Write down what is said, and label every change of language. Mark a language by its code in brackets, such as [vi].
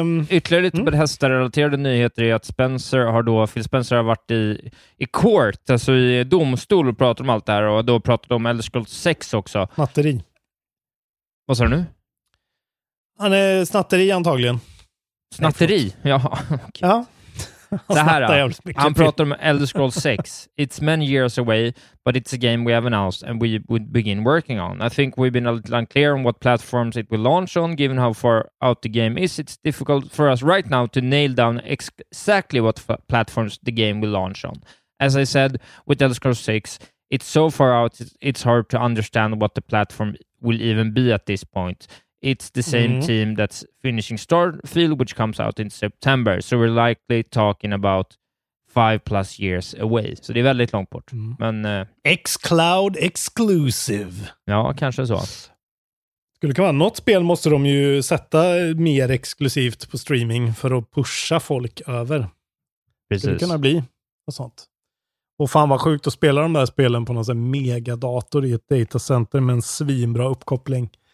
[sv] Ytterligare lite Bethesda-relaterade nyheter är att Phil Spencer har varit i court, alltså i domstol, och pratat om allt det här, och då pratade de om Elder Scrolls 6 också. Snatteri. Vad sa du nu? Han är snatteri antagligen. Snatteri? Ja. Okay. Ja. Det här, han pratar om Elder Scrolls 6. [en] It's many years away, but it's a game we have announced and we would begin working on. I think we've been a little unclear on what platforms it will launch on, given how far out the game is. It's difficult for us right now to nail down exactly what platforms the game will launch on. As I said, with Elder Scrolls 6, it's so far out, it's hard to understand what the platform will even be at this point. It's the same team that's finishing Starfield, which comes out in September. So we're likely talking about 5+ years away. [sv] Så det är väldigt långt bort. Men [en] X-Cloud exclusive. [sv] Ja, kanske så. Skulle kunna vara. Något spel måste de ju sätta mer exklusivt på streaming för att pusha folk över. Precis. Skulle kunna bli och sånt. Och fan vad sjukt att spela de där spelen på någon sån megadator i ett datacenter med en svinbra uppkoppling.